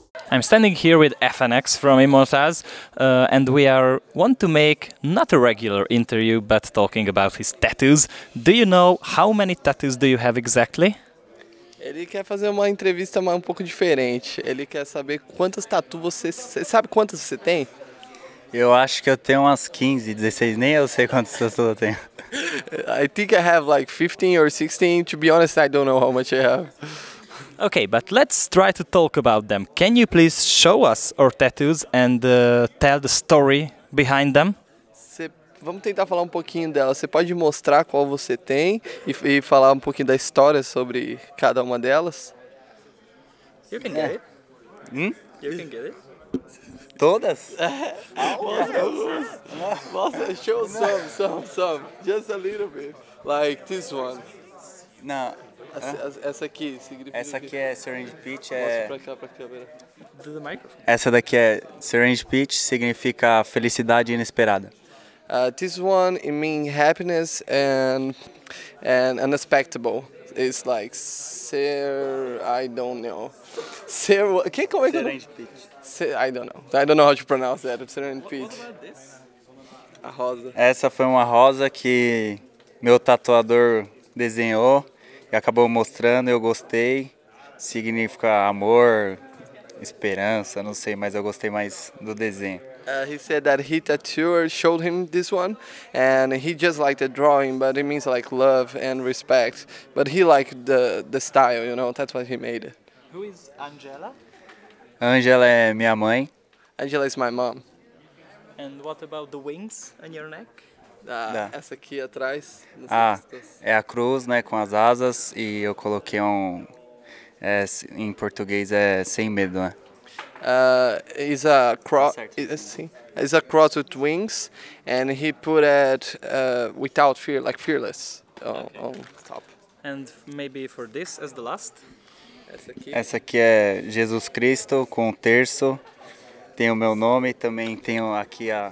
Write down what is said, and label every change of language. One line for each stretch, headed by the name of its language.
English: I'm standing here with FNX from Immortals, and we are want to make not a regular interview, but talking about his tattoos. Do you know how many tattoos do you have exactly?
Portuguese: Ele quer fazer uma entrevista mais um pouco diferente. Ele quer saber quantas tatu você... Você sabe quantas você tem? Eu acho que eu tenho umas 15, 16. Nem eu sei quantas tatu eu tenho.
English: I think I have like 15 or 16. To be honest, I don't know how much I have. Okay, but let's try to talk about them. Can you please show us your tattoos and tell the story behind them?
Portuguese: Vamos tentar falar um pouquinho delas. Você pode mostrar qual você tem e falar um pouquinho da história sobre cada uma delas?
English: You can get it. Hmm? You can get it.
Portuguese: Todas? Mostra,
English: show some. Just a little bit. Like this one.
Portuguese: Não. Essa aqui, significa. Essa aqui é Syringe Peach. Mostra pra cá, pra câmera.
English: Do the microphone.
Portuguese: Essa daqui é Syringe Peach, significa felicidade inesperada.
English: This one, it means happiness and unexpected. It's like ser, I don't know.
Portuguese: Ser, que, como é que
English: Serange Peach. I don't know how to pronounce that. Serange Peach. What about this?
Portuguese: A rosa. Essa foi uma rosa que meu tatuador desenhou e acabou mostrando. Eu gostei. Significa amor, esperança. Não sei, mas eu gostei mais do desenho.
English: He said that he tattooed, showed him this one, and he just liked the drawing, but it means like love and respect. But he liked the style, you know, that's why he made it. Who is Angela?
Portuguese: Angela é minha mãe.
English: Angela is my mom. And what about the wings on your neck?
Portuguese: Essa aqui atrás. É a cruz, né, com as asas, e eu coloquei em português é sem medo, né?
English: It's a cross with wings, and he put it without fear, like fearless, on top. And maybe for this as the last?
Portuguese: Essa aqui é Jesus Cristo com terço, tem o meu nome, também tenho aqui a...